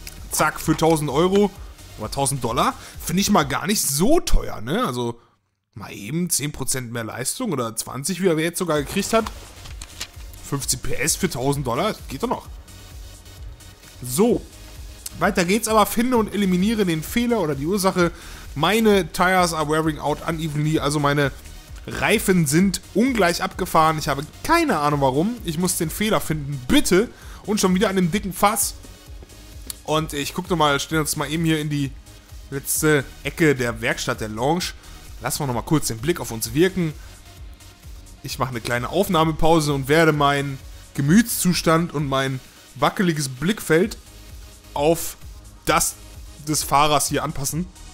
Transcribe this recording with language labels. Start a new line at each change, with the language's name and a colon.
German: Zack, für 1000 Euro. Oder 1000 Dollar. Finde ich mal gar nicht so teuer, ne? Also, mal eben 10% mehr Leistung oder 20, wie er jetzt sogar gekriegt hat. 50 PS für 1000 Dollar, geht doch noch. So. Weiter geht's aber. Finde und eliminiere den Fehler oder die Ursache. Meine
English: Tires are wearing out unevenly.
German: Also meine Reifen sind ungleich abgefahren. Ich habe keine Ahnung warum. Ich muss den Fehler finden. Bitte. Und schon wieder an dem dicken Fass. Und ich gucke nochmal, stehen uns mal eben hier in die letzte Ecke der Werkstatt, der Lounge. Lassen wir nochmal kurz den Blick auf uns wirken. Ich mache eine kleine Aufnahmepause und werde meinen Gemütszustand und mein wackeliges Blickfeld auf das des Fahrers hier anpassen.